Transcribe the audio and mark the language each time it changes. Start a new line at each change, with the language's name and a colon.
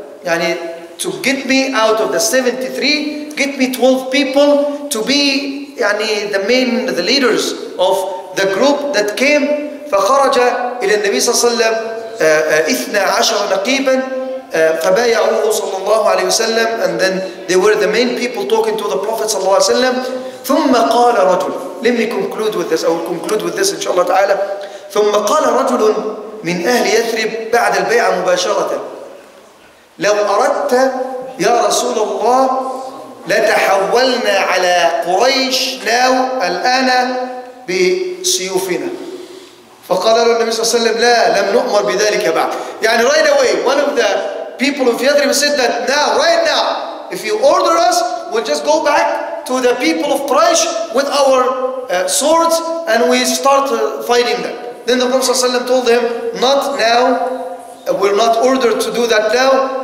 English: Yani to get me out of the 73, get me 12 people to be yani the main, the leaders of the group that came.
Arabic: فَخَرَجَ إِلَى النَّبِي صَلَّى اللَّهُ عَلَيْهِ وَسَلَّمَ 12 نَقِيبًا فَبَايَعُوهُ صَلَّى اللَّهُ عَلَيْهِ وَسَلَّمَ.
English: And then they were the main people talking to the Prophet
Arabic: صَلَّى اللَّهُ عَلَيْهِ وَسَلَّمَ. ثُمَّ قَالَ رَجُلٌ.
English: Let me conclude with this. I will conclude with this, inshallah ta'ala.
Arabic: ثُمَّ قَالَ رَجُلٌ من أهل يثرب بعد البيعة مباشرة لو أردت يا رسول الله لتحولنا على قريش ناو الآن بسيوفنا. فقال له النبي صلى الله عليه وسلم لا لم نؤمر بذلك بعد.
English: يعني right away one of the people of Yathrib said that now, right now, if you order us, we'll just go back to the people of Quraysh with our swords and we start fighting them. Then the Prophet ﷺ told him, not now, we're not ordered to do that now.